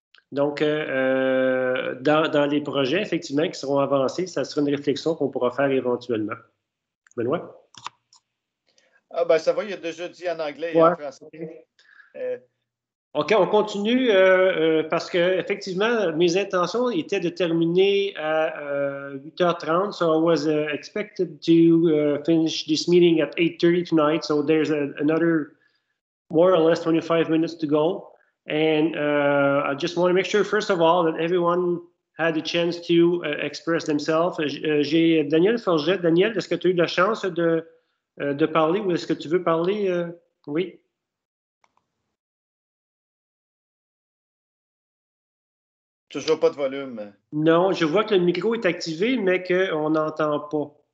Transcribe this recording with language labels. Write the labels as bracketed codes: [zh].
[fr] Donc, dans les projets, effectivement, qui seront avancés, ça sera une réflexion qu'on pourra faire éventuellement. Benoît? Ah, ben ça va, il y a déjà dit en anglais et en français. OK, on continue parce que effectivement, mes intentions étaient de terminer à 8h30. [en] So I was expected to finish this meeting at 8:30 tonight. So there's another more or less 25 minutes to go. And I just want to make sure, first of all, that everyone had a chance to express themselves. [fr] J'ai Daniel Forget. Daniel, est-ce que tu as eu la chance de parler ou est-ce que tu veux parler? Oui. Toujours pas de volume. Non, je vois que le micro est activé, mais qu'on n'entend pas.